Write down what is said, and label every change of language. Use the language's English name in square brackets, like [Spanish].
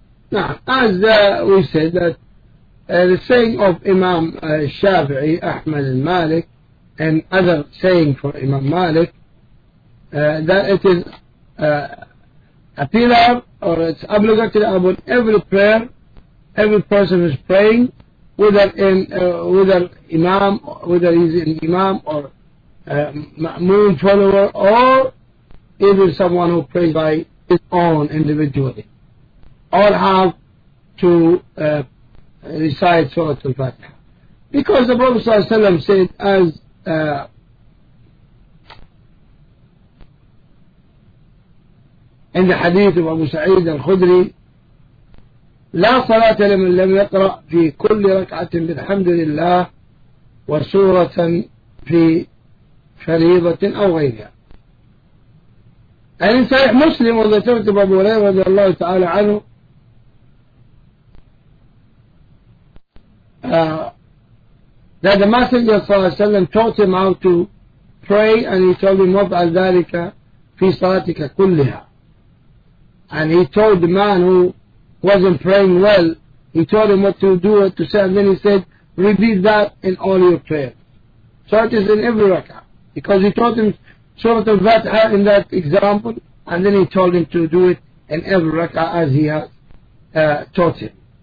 [English] Now, as we said, that the saying of Imam Shafi'i, Ahmad al-Malik, and other saying for Imam Malik, that it is a pillar, or it's obligatory upon every prayer, every person is praying, whether he's an imam or ma'moon follower, or even someone who prays by his own individually, all have to recite Surah Al-Fatiha. [Arabic] Because the Prophet صلى الله عليه وسلم said, as in the hadith of Abu Sa'id al-Khudri, لا صلاة لمن لم يقرأ في كل ركعة بالحمد لله وسورة في فريضة أو غيرها. أي صحيح مسلم وذكرت أبو هريرة رضي الله تعالى عنه [English] that the Messenger صلى الله عليه وسلم taught him how to pray and he told him not as [Arabic] ذلك في صلاتك كلها. [English] And he told the man who wasn't praying well, he told him what to do, what to say, and then he said, repeat that in all your prayers. So it is in every rak'ah. Because he taught him Surah Al-Fatiha in that example, and then he told him to do it in every rak'ah as he has taught him.